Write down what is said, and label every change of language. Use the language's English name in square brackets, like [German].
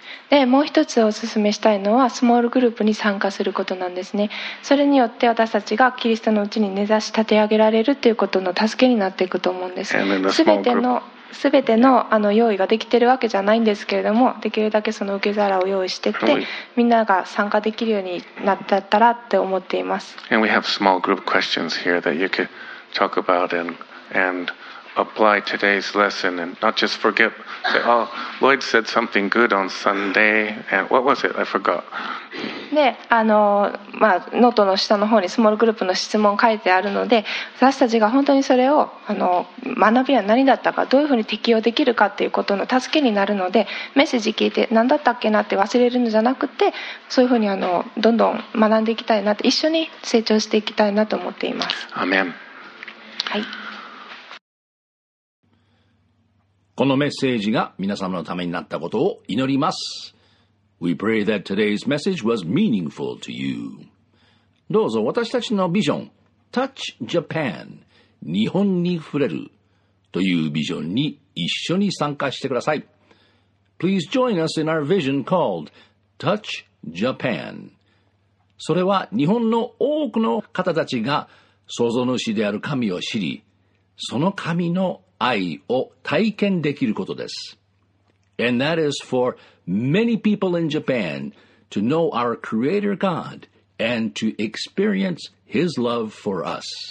[Japanese] で、もう一つお勧めしたいのはスモールグループに参加することなんですね。それによって私たちがキリストのうちに根ざし立て上げられるということの助けになっていくと思うんです。全ての、あの用意ができているわけじゃないんですけれども、できるだけその受け皿を用意してって、みんなが参加できるようになったらって思っています。 [English] And we have small group questions here that you could talk about and apply today's lesson and not just forget. Say, oh, Lloyd said something good on Sunday. And what was it? I forgot. [Japanese] で、まあ、ノートの下の方にスモールグループの質問書いてあるので、私たちが本当にそれを学びは何だったか、どういうふうに適用できるかっていうことの助けになるので、メッセージ聞いて何だったっけなって忘れるのじゃなくて、そういうふうにどんどん学んでいきたいなって、一緒に成長していきたいなと思っています。アメン。はい、このメッセージが皆様のためになったことを祈ります。 [English] We pray that today's message was meaningful to you. [Japanese] どうぞ私たちのビジョン、Touch Japan、日本に触れるというビジョンに一緒に参加してください。 [English] Please join us in our vision called Touch Japan. [Japanese] それは日本の多くの方たちが創造主である神を知り、その神の愛を体験できることです。 [English] And that is for many people in Japan to know our Creator God and to experience His love for us.